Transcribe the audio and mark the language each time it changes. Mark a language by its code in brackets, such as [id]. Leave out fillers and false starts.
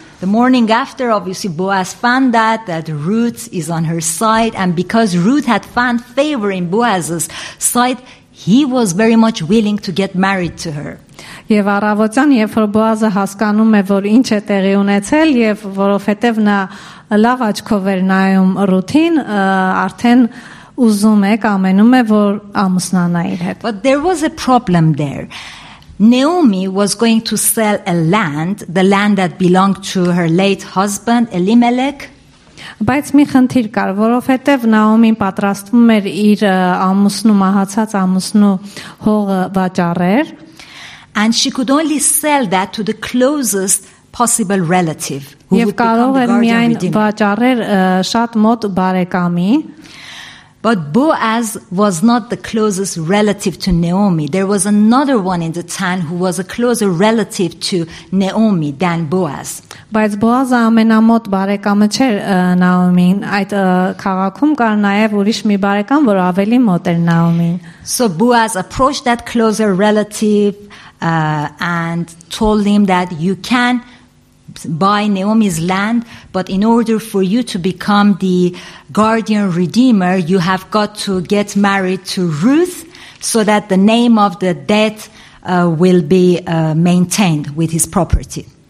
[en] The morning after, obviously, Boaz found that Ruth is on her side, and because Ruth had found favor in Boaz's sight, he was very much willing to get married to her. [hy] Եվ առավոտյան, երբ որ Բոազը հասկանում է, որ ինչ է տեղի ունեցել, եւ որովհետեւ նա լավ աչքով էր նայում Ռութին, արդեն ուզում է, կամենում է, որ ամուսնանա իր հետ. [en] But there was a problem there. Naomi was going to sell a land, the land that belonged to her late husband Elimelech. [hy] Բայց մի խնդիր կար, որովհետև Նաոմին պատրաստվում էր իր ամուսնու մահացած ամուսնու հողը վաճառել. [en] And she could only sell that to the closest possible relative who would become the guardian redeemer. [hy] Եվ կարող էր վաճառել շատ մոտ բարեկամի. [en] But Boaz was not the closest relative to Naomi. There was another one in the town who was a closer relative to Naomi than Boaz. [hy] Բայց Բոազը ամենամոտ բարեկամը չէր Նաոմին, այդ քաղաքում կար նաև ուրիշ մի բարեկամ, որ ավելի մոտ էր Նաոմին. [en] So Boaz approached that closer relative and told him that you can buy Naomi's land, but in order for you to become the guardian redeemer, you have got to get married to Ruth so that the name of the dead will be maintained with his property.